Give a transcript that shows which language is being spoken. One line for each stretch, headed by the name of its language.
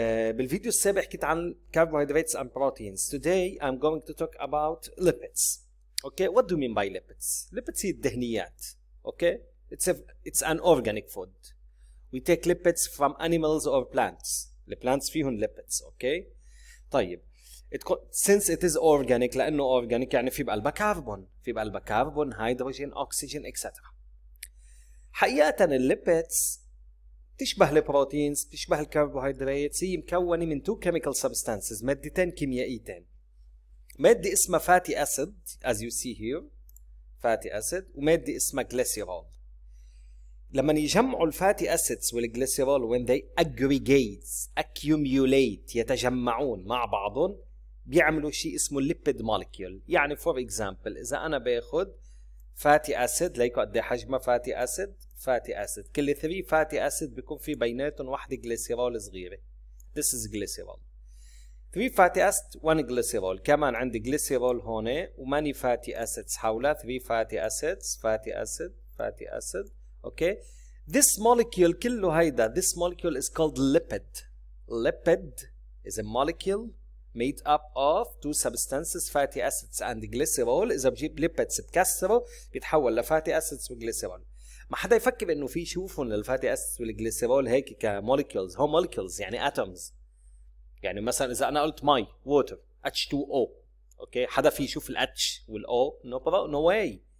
Arabic: بالفيديو السابق حكيت عن
English: carbohydrates and proteins. Today I'm going to talk about lipids. Okay, what do you mean by lipids?
Arabic: Lipids هي الدهنيات.
English: Okay, it's an organic food. We take lipids from animals or plants. The plants
Arabic: فيهن
English: lipids. Okay, طيب. Since it is organic,
Arabic: لأنه
English: organic
Arabic: يعني في بقلبها
English: carbon, في بقلبها carbon, hydrogen, oxygen, etc.
Arabic: حقيقة lipids تشبه البروتينز, تشبه الكربوهيدرات. هي مكونة من
English: two chemical substances,
Arabic: مادتين كيميائيتين. مادة اسمها fatty acid,
English: as you see here, fatty acid,
Arabic: ومادة اسمها glycerol. لما يجمعوا الفاتي أسيدز والجليسيرول,
English: when they aggregates, accumulate,
Arabic: يتجمعون مع بعضهم, بيعملوا شيء اسمه lipid molecule. يعني
English: for example,
Arabic: إذا أنا بأخذ fatty acid, ليكو قد حجمه fatty acid, fatty acid. كل 3 fatty acid بيكون في بيناتهم واحدة glycerol صغيرة.
English: This is glycerol. 3 fatty acid, 1 glycerol.
Arabic: كمان عندي glycerol هون, وماني fatty acids حولها, 3 fatty acids, fatty acid, fatty acid.
English: Okay, this molecule
Arabic: كله هيدا,
English: this molecule is called lipid. Lipid is a molecule made up of two substances, fatty acids and glycerol.
Arabic: إذا بجيب lipids بكسره بيتحول لفاتي acids وglycerol. ما حدا يفكر إنه في شوفهم للفاتي acids والglycerol هيك كmolecules, هم molecules يعني atoms. يعني مثلا إذا أنا قلت مي, water, H2O. أوكي, حدا في يشوف ال H وال O؟
English: No problem, no way.